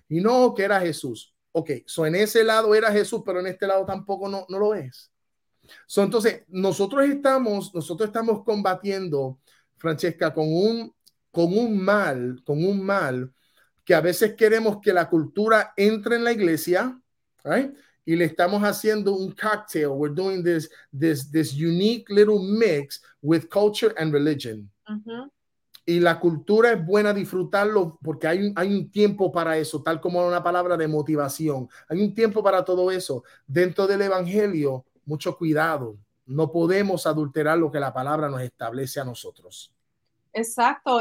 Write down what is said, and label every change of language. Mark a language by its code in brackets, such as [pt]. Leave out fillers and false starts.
[es] Y no, que era Jesús. [en] Ok, so [es] en ese lado era Jesús, pero en este lado tampoco no lo es. [en] So, [es] entonces, nosotros estamos combatiendo, Francesca, con un mal que a veces queremos que la cultura entre en la iglesia, [en] right? [es] Y le estamos haciendo un cocktail. [en] We're doing this unique little mix with culture and religion. Uh-huh. [es] Y la cultura es buena disfrutarlo porque hay un tiempo para eso, tal como una palabra de motivación. Hay un tiempo para todo eso. Dentro del evangelio, mucho cuidado. No podemos adulterar lo que la palabra nos establece a nosotros. Exacto.